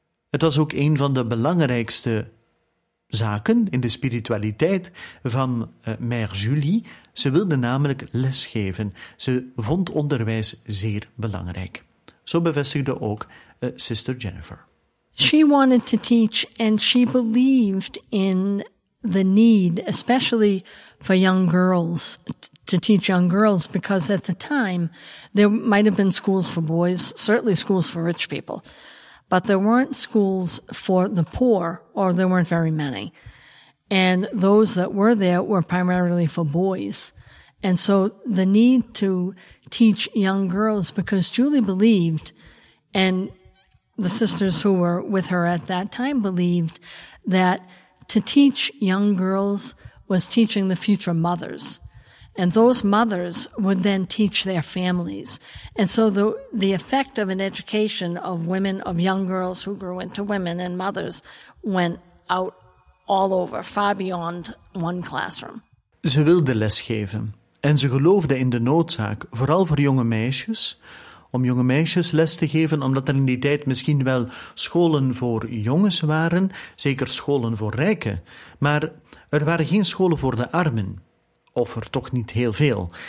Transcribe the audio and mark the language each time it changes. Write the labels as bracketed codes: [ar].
[nl] Het was ook een van de belangrijkste zaken in de spiritualiteit van Mère Julie. Ze wilde namelijk lesgeven. Ze vond onderwijs zeer belangrijk. Zo bevestigde ook Sister Jennifer. [en] She wanted to teach and she believed in the need, especially for young girls, to teach young girls, because at the time there might have been schools for boys, certainly schools for rich people, but there weren't schools for the poor, or there weren't very many. And those that were there were primarily for boys. And so the need to teach young girls, because Julie believed, and the sisters who were with her at that time believed, that to teach young girls was teaching the future mothers. And those mothers would then teach their families. And so the effect of an education of women, of young girls who grew into women and mothers, went out all over, far beyond one classroom. [nl] Ze wilde lesgeven. En ze geloofde in de noodzaak, vooral voor jonge meisjes, om jonge meisjes les te geven, omdat er in die tijd misschien wel scholen voor jongens waren, zeker scholen voor rijken. Maar er waren geen scholen voor de armen, of er toch niet heel veel.